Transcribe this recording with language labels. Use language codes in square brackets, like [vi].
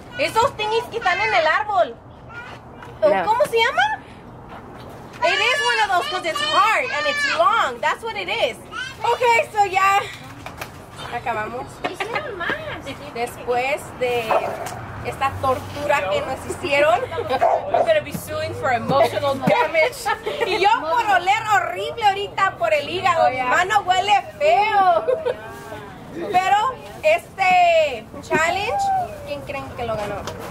[es] Esos thingies que están en el árbol. No. ¿Cómo se llama? [en] It is one of those because it's hard and it's long. That's what it is. Okay, so yeah. [es] Acabamos. Después de esta tortura que nos hicieron. [en] We're going to be suing for emotional damage. [es] Y yo por oler horrible ahorita por el hígado. Mi mano huele feo. Pero este challenge, ¿quién creen que lo ganó?